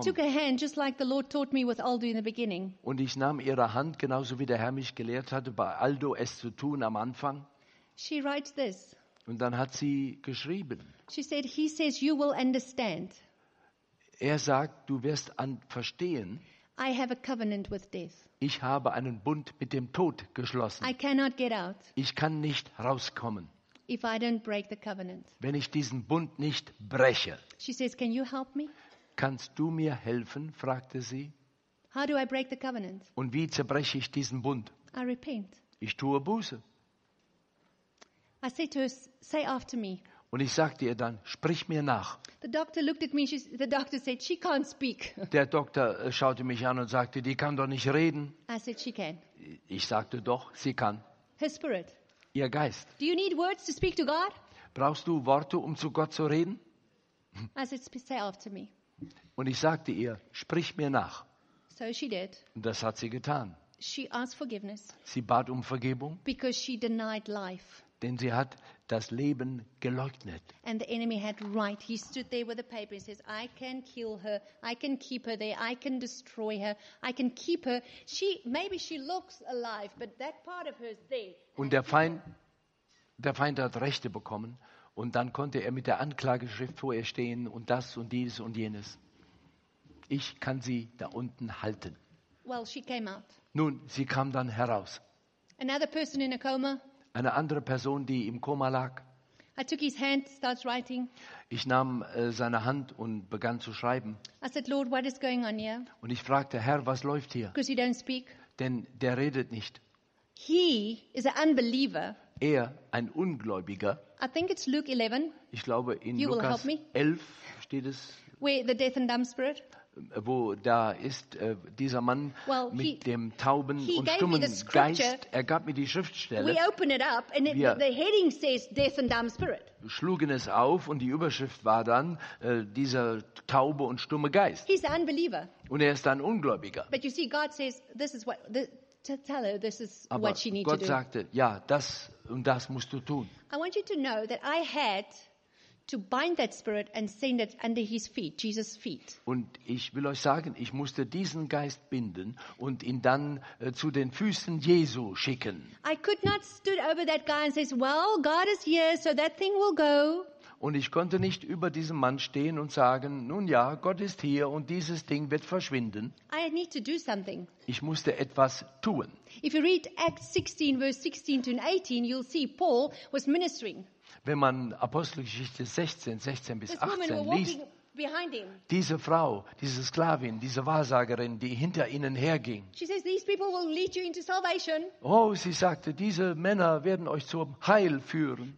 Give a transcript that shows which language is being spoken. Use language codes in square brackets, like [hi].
[en] I took her hand just like the Lord taught me with Aldo in the beginning. [de] Und ich nahm ihre Hand genauso wie der Herr mich gelehrt hatte bei Aldo es zu tun am Anfang. [en] She writes this. [de] Und dann hat sie geschrieben. [en] She said, he says you will understand. [de] Er sagt, du wirst verstehen. [en] I have a covenant with death. [de] Ich habe einen Bund mit dem Tod geschlossen. [en] I cannot get out. [de] Ich kann nicht rauskommen. [en] If I don't break the covenant. [de] Wenn ich diesen Bund nicht breche. [en] She says, can you help me? [de] Kannst du mir helfen? Fragte sie. [en] How do I break the covenant? [de] Und wie zerbreche ich diesen Bund? [en] I repent. [de] Ich tue Buße. [en] I said to her, say after me. [de] Und ich sagte ihr dann, sprich mir nach. [en] The doctor looked at me, the doctor said, she can't speak. [de] Der Doktor schaute mich an und sagte, die kann doch nicht reden. [en] I said, she can. [de] Ich sagte doch, sie kann. [en] Her spirit. [de] Ihr Geist. [en] Do you need words to speak to God? [de] Brauchst du Worte, um zu Gott zu reden? [en] I said, say after me. [de] Und ich sagte ihr, sprich mir nach. [en] So she did. [de] Und das hat sie getan. [en] She asked forgiveness. [de] Sie bat um Vergebung. [en] Because she denied life. [de] Denn sie hat das Leben geleugnet. [en] And the enemy had right. He stood there with a paper and says, I can kill her. I can keep her there. I can destroy her. I can keep her. She maybe she looks alive, but that part of her is there. [de] Und der Feind hat Rechte bekommen und dann konnte er mit der Anklageschrift vor ihr stehen und das und dies und jenes. Ich kann sie da unten halten. [en] Well, she came out. [de] Nun, sie kam dann heraus. [en] Another person in a coma. [de] Eine andere Person, die im Koma lag. [en] I took his hand, starts writing. [de] Ich nahm seine Hand und begann zu schreiben. [en] I said, Lord, what is going on here? [de] Und ich fragte, Herr, was läuft hier? [en] Because he don't speak. [de] Denn der redet nicht. [en] He is an unbeliever. [de] Er, ein Ungläubiger. [en] I think it's Luke 11. [de] Ich glaube, in [en] you [de] Lukas 11 steht es. [en] Where the deaf and dumb spirit. [de] Wo da ist dieser Mann [en] well, [de] mit dem tauben und stummen Geist. Er gab mir die Schriftstelle. [en] We open it up and [de] wir [en] the heading says deaf and dumb spirit. [de] Schlugen es auf und die Überschrift war dann dieser taube und stumme Geist. [en] He's an unbeliever. [de] Und er ist ein Ungläubiger. [en] But you see, God says, this is what to tell her this is [de] aber [en] what she needs to [de] Gott sagte, [en] do. [de] Ja, das und das musst du tun. [en] I want you to know that I had to bind that spirit and send it under his feet, Jesus' feet. [de] Und ich will euch sagen, ich musste diesen Geist binden und ihn dann zu den Füßen Jesu schicken. [en] I could not stood over that guy and says, well, God is here, so that thing will go. [de] Und ich konnte nicht über diesem Mann stehen und sagen, nun ja, Gott ist hier und dieses Ding wird verschwinden. [en] I need to do something. [de] Ich musste etwas tun. [en] If you read Acts 16, verse 16 to 18, you'll see Paul was ministering. [de] Wenn man Apostelgeschichte 16 bis 18 liest, diese Frau, diese Sklavin, diese Wahrsagerin, die hinter ihnen herging, [en] she says, these people will lead you into salvation. [de] Oh, sie sagte, diese Männer werden euch zum Heil führen.